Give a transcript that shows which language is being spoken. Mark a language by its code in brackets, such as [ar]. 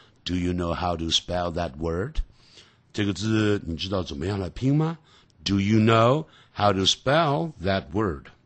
[en] Do you know how to spell that word? [zh] 这个字你知道怎么样来拼吗？ [en] Do you know how to spell that word?